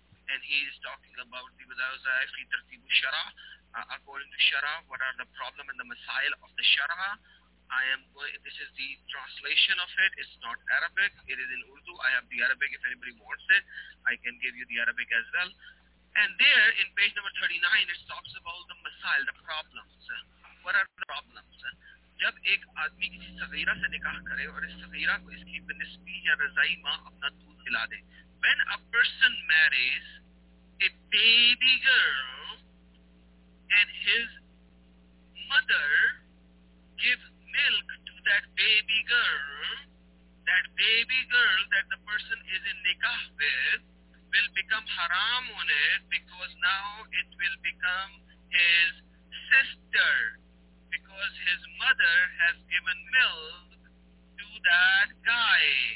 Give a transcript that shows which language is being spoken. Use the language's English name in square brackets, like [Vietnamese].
[English] And he is talking about the Wazawzai fi tartibu shara. According to shara, what are the problem and the masail of the shara? This is the translation of it. It's not Arabic. It is in Urdu. I have the Arabic. If anybody wants it, I can give you the Arabic as well. And there, in page number 39, it talks about the masail, the problems. What are the problems? [Urdu] جب ایک آدمی کسی صغیرہ سے نکاح کرے اور اس صغیرہ کو اس کی بنسبی یا رضائی ماں اپنا دودھ پلا دے. [English] When a person marries a baby girl and his mother gives milk to that baby girl that the person is in nikah with will become haram on it, because now it will become his sister, because his mother has given milk to that guy.